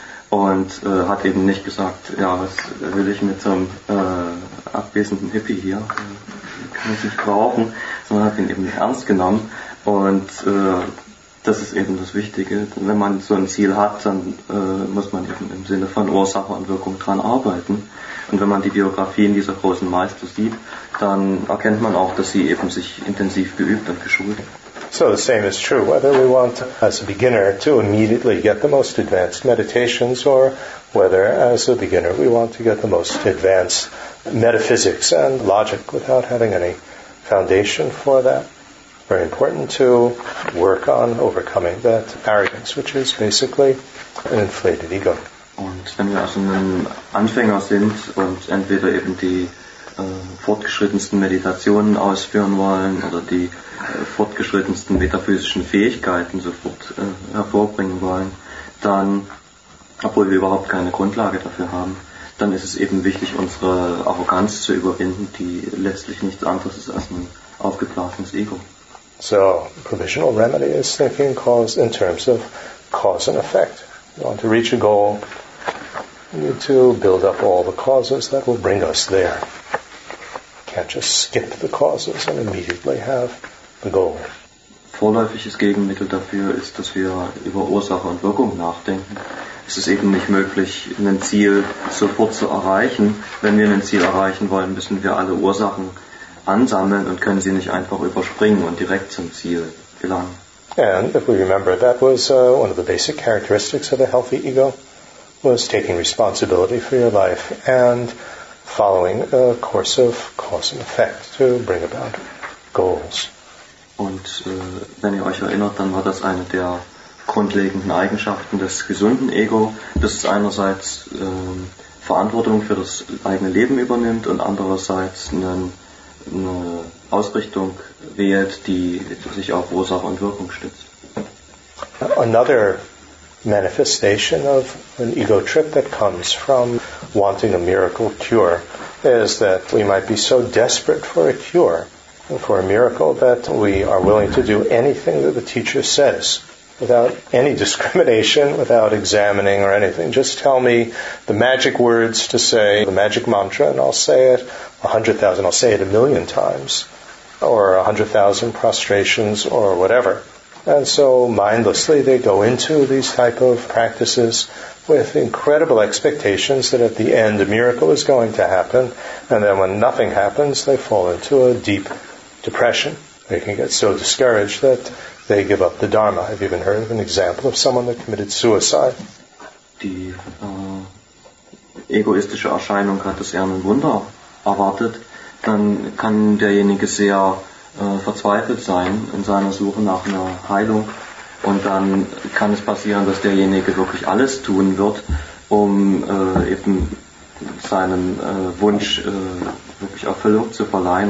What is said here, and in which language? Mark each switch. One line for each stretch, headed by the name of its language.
German: Und hat eben nicht gesagt, ja, was will ich mit so einem abwesenden Hippie hier, kann ich nicht brauchen, sondern hat ihn eben ernst genommen. Und das ist eben das Wichtige. Wenn man so ein Ziel hat, dann muss man eben im Sinne von Ursache und Wirkung dran arbeiten. Und wenn man die Biografien dieser großen Meister sieht, dann erkennt man auch, dass sie eben sich intensiv geübt und geschult.
English: So the same is true, whether we want as a beginner to immediately get the most advanced meditations or whether as a beginner we want to get the most advanced metaphysics and logic without having any foundation for that. Very important to work on overcoming that arrogance, which is basically an inflated ego.
German: Und wenn wir also ein Anfänger sind und entweder eben die fortgeschrittensten Meditationen ausführen wollen oder die fortgeschrittensten metaphysischen Fähigkeiten sofort hervorbringen wollen, dann, obwohl wir überhaupt keine Grundlage dafür haben, dann ist es eben wichtig, unsere Arroganz zu überwinden, die letztlich nichts anderes ist als ein aufgeblasenes Ego.
English: So, provisional remedy is thinking cause in terms of cause and effect. You want to reach a goal, you need to build up all the causes that will bring us there. You can't just skip the causes and immediately have the goal.
German: Vorläufiges Gegenmittel dafür ist, dass wir über Ursache und Wirkung nachdenken. Es ist eben nicht möglich, ein Ziel sofort zu erreichen. Wenn wir ein Ziel erreichen wollen, müssen wir alle Ursachen ansammeln und können sie nicht einfach überspringen und direkt zum Ziel gelangen.
English: And if we remember, that was one of the basic characteristics of a healthy ego, was taking responsibility for your life and following a course of cause and effect to bring about goals.
German: Und wenn ihr euch erinnert, dann war das eine der grundlegenden Eigenschaften des gesunden Ego, dass es einerseits Verantwortung für das eigene Leben übernimmt und andererseits eine Ausrichtung wählt, die sich auf Ursache und Wirkung stützt.
English: Another manifestation of an ego trip that comes from wanting a miracle cure is that we might be so desperate for a cure, for a miracle, that we are willing to do anything that the teacher says without any discrimination, without examining or anything. Just tell me the magic words to say, the magic mantra, and I'll say it 100,000, I'll say it a million times, or 100,000 prostrations, or whatever. And so, mindlessly, they go into these type of practices with incredible expectations that at the end, a miracle is going to happen, and then when nothing happens, they fall into a deep depression. They can get so discouraged that they give up the Dharma. Have you even heard of an example of someone that committed suicide?
German: Die egoistische Erscheinung hat das eher ein Wunder erwartet. Dann kann derjenige sehr verzweifelt sein in seiner Suche nach einer Heilung. Und dann kann es passieren, dass derjenige wirklich alles tun wird, um eben seinem Wunsch wirklich Erfüllung zu verleihen.